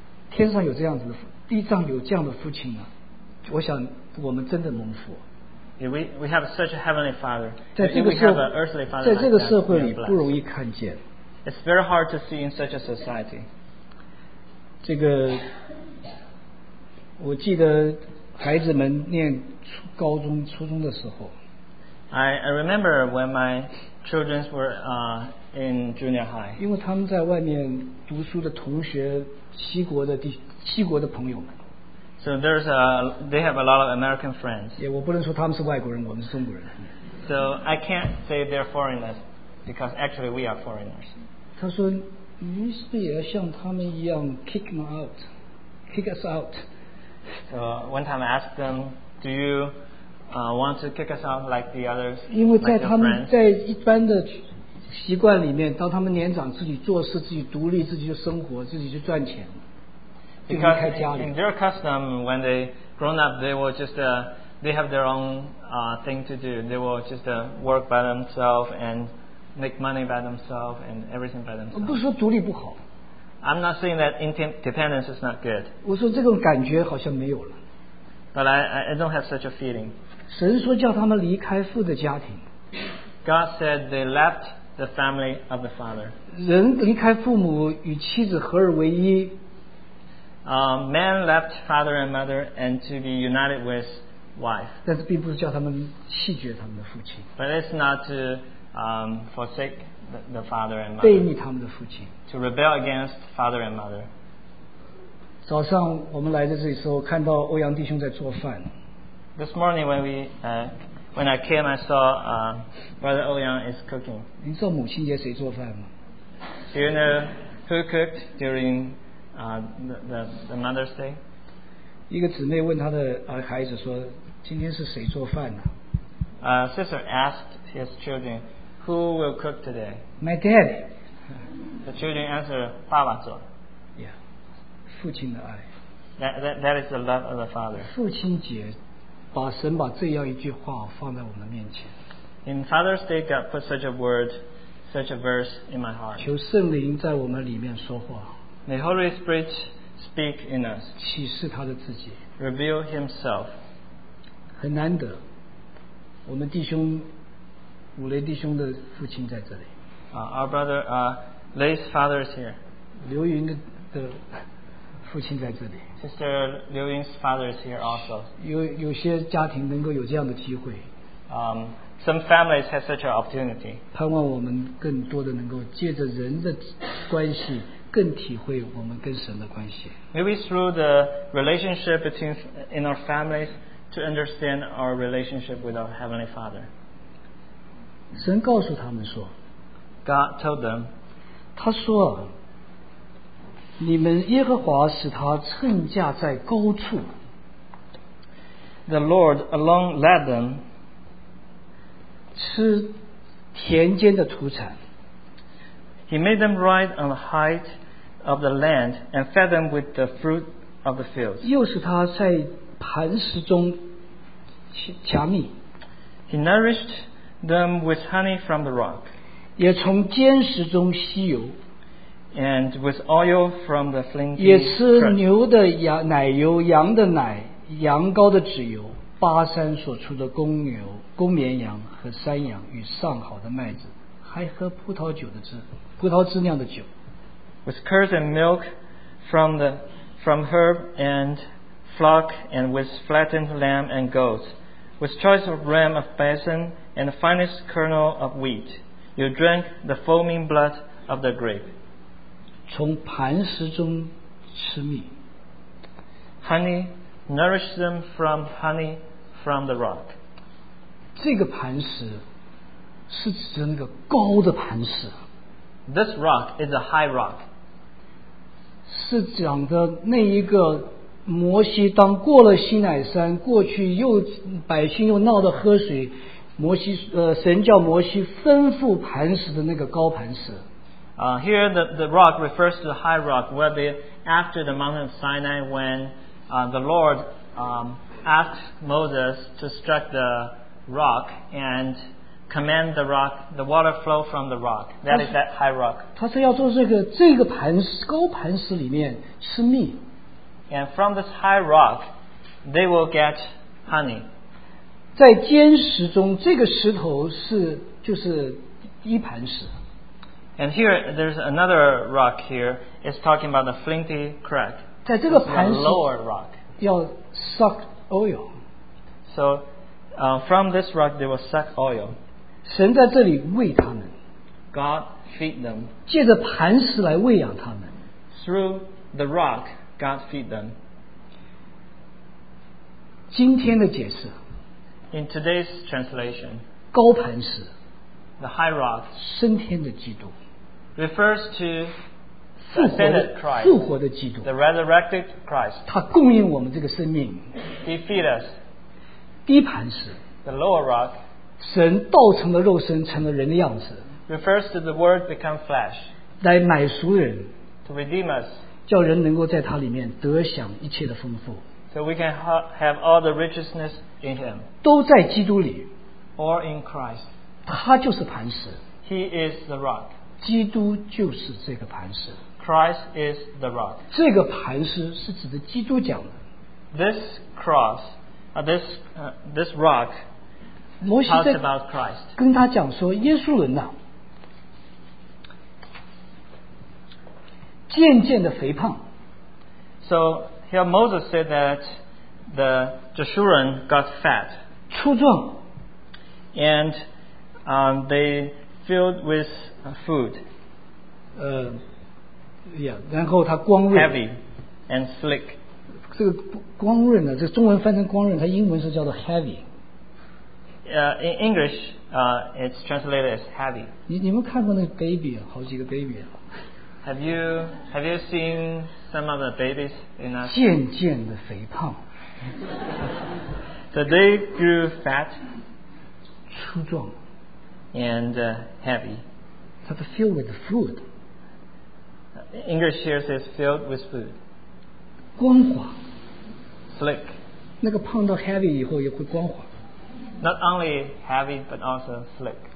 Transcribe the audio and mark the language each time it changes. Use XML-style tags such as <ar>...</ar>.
<zh>天上有这样子的父亲啊, 我想我们真的蒙福。</zh> <en>We have such a heavenly Father.</en> <zh>在这个社,</zh> <en>we have an earthly Father.</en> <zh>在这个社会里不容易看见。</zh> <en>It's very hard to see in such a society.</en> <zh>这个, 我记得孩子们念高中初中的时候,</zh> <en>I remember when my children were in junior high.</en> <zh>因为他们在外面读书的同学, 西国的朋友们,</zh> <en>so there's a, they have a lot of American friends.</en> <zh>也我不能说他们是外国人, 我们是中国人,</zh> <en>so I can't say they're foreigners, because actually we are foreigners.</en> <zh>他说, 你是不是也要像他们一样,</zh> <en>kick them out, kick us out. So one time I asked them, do you want to kick us out like the others?</en> <zh>因为在他们在一般的 习惯里面, 当他们年长, 自己做事, 自己独立, 自己就生活, 自己就赚钱,</zh> <en>because in their custom, when they grown up, they will just they have their own thing to do. They will just work by themselves and make money by themselves and everything by themselves.</en> <zh>不说独立不好,</zh> <en>I'm not saying that independence is not good.</en> <zh>我说这种感觉好像没有了,</zh> <en>but I don't have such a feeling.</en> <zh>神说叫他们离开父的家庭,</zh> <en>God said they left the family of the Father.</en> <zh>人离开父母与妻子合而为一,</zh> <en>man left father and mother and to be united with wife.</en> <zh>但是并不是叫他们弃绝他们的父亲,</zh> <en>but it's not to forsake the father and mother.</en> <zh>背逆他们的父亲,</zh> <en>to rebel against father and mother.</en> <zh>早上我们来的这时候, 看到欧阳弟兄在做饭,</zh> <en>this morning when we when I came, I saw Brother Ouyang is cooking.</en> <zh>你知道母亲节谁做饭吗?</zh> <en>Do you know who cooked during the Mother's Day?</en> <zh>一个姊妹问她的孩子说, 今天是谁做饭呢?</zh> <en>Sister asked his children, who will cook today? My dad. The children answered,</en> <zh>爸爸做。 Yeah. 父亲的爱。</zh> <en>That is the love of the Father.</en> <zh>父亲节，把神把这样一句话放在我们面前。</zh> <en>In Father's Day, God put such a word, such a verse in my heart.</en> <zh>求圣灵在我们里面说话。</zh> <en>May Holy Spirit speak in us.</en> <zh>启示他的自己。</zh> <en>Reveal Himself.</en> <zh>很难得，我们弟兄，五雷弟兄的父亲在这里。</zh> <en>Our brother, Lay's father is here.</en> <zh>刘云的父亲在这里。</zh> <en>Sister Liu Ying's father is here also.</en> <zh>有些家庭能够有这样的机会。</zh> <en>Some families have such an opportunity.</en> <zh>盼望我们更多的能够借着人的关系，更体会我们跟神的关系。</zh> <en>Maybe through the relationship between in our families to understand our relationship with our Heavenly Father.</en> <zh>神告诉他们说。</zh> <en>God told them.</en> <zh>他说，你们耶和华使他乘驾在高处。</zh> <en>The Lord alone led them.</en> <zh>吃田间的土产。</zh> <en>He made them ride on the height of the land and fed them with the fruit of the fields.</en> <zh>又使他在磐石中掐蜜。</zh> <en>He nourished them with honey from the rock.</en> <zh>也从坚石中吸油。</zh> <en>And with oil from the flinty.</en> <zh>也吃牛的奶油、羊的奶、羊羔的脂油、巴山所出的公牛、公绵羊和山羊与上好的麦子，还喝葡萄酒的汁、葡萄汁酿的酒。</zh> <en>With curds and milk from the from herb and flock, and with flattened lamb and goats, with choice of ram of Bashan and the finest kernel of wheat, you drank the foaming blood of the grape.</en> <zh>从磐石中吃蜜。</zh> <en>Honey nourish them from honey from the rock.</en> <zh>这个磐石是指着那个高的磐石。</zh> <en>This rock is a high rock.</en> <zh>是讲的那一个摩西当过了西乃山，过去又百姓又闹着喝水，摩西神叫摩西吩咐磐石的那个高磐石。</zh> <en>Here the rock refers to the high rock where they, after the mountain of Sinai, when the Lord asked Moses to strike the rock and command the rock, the water flow from the rock. That is that high rock.</en> <zh>他说要做这个磐石高磐石里面吃蜜。</zh> <en>And from this high rock, they will get honey.</en> <zh>在坚石中，这个石头是就是低磐石。</zh> <en>And here, there's another rock here. It's talking about the flinty crack.</en> <zh>在这个磐石</zh> <en>lower rock. 要 suck oil. So, from this rock, they will suck oil.</en> <zh>神在这里喂他们。</zh> <en>God feed them.</en> <zh>借着磐石来喂养他们。</zh> <en>Through the rock, God feed them.</en> <zh>今天的解释。</zh> <en>In today's translation.</en> <zh>高磐石。</zh> <en>The high rock</en> <zh>升天的基督</zh> <en>refers to the ascended Christ,</en> <zh>复活的基督</zh> <en>the resurrected Christ.</en> <zh>他供应我们这个生命</zh> <en>He feed us.</en> <zh>低磐石</zh> <en>the lower rock.</en> <zh>神道成了肉身，成了人的样子</zh> <en>refers to the word become flesh.</en> <zh>来买赎人</zh> <en>to redeem us.</en> <zh>叫人能够在他里面得享一切的丰富</zh> <en>so we can have all the richness in him.</en> <zh>都在基督里</zh> <en>or in Christ.</en> <zh>他就是磐石</zh> <en>He is the rock.</en> <zh>基督就是这个磐石</zh> <en>Christ is the rock.</en> <zh>这个磐石是指的基督讲的</zh> <en>This cross, this rock, talks about Christ.</en> <zh>跟他讲说耶稣人呐、啊、渐渐的肥胖</zh> <en>So here Moses said that the Jeshurun got fat.</en> <zh>粗壮</zh> <en>AndThey filled with food.</en> <zh>Yeah. 然后它光润</zh> <en>heavy and slick.</en> <zh>这个光润呢，这个、中文翻成光润，它英文是叫做 heavy.</zh> <en>In English, it's translated as heavy.</en> <zh>你们看过那个 baby 啊，好几个 baby 啊。</zh> <en>Have you seen some of the babies in us?</en> <zh>渐渐的肥胖。</zh> <en>So they grew fat.</en> <zh>粗壮。</zh> <en>And heavy. It's filled with food. English here says filled with food.</en> <zh>光滑。</zh> <en>Slick.</en> <zh>那个胖到 heavy 以后也会光滑。</zh> <en>Not only heavy, but also slick.</en>